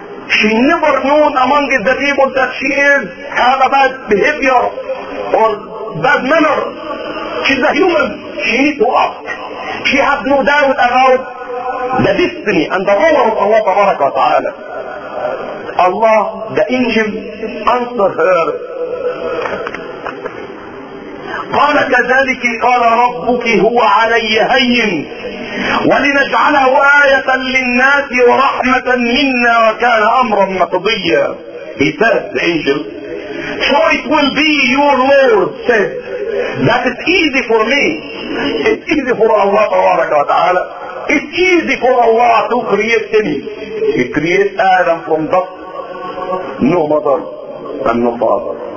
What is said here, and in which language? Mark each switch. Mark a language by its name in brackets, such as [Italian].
[English] She never known among the people that she is have a bad behavior or bad manner. She's a human. She needs to ask. She has no doubt about the destiny and the power of Allah Tabaraka wa Ta'ala. Allah, the angel, answered her. [Arabic] قال كذلك قال ربك هو علي هين ولنجعله آية للناس ورحمة منا وكان أمرا مقضيا. [English] He said the angel, so it will be your Lord said that it's easy for me, it's easy for Allah [Arabic] تبارك وتعالى, [English] it's easy for Allah to create me. He creates Adam from dust, no mother and no father.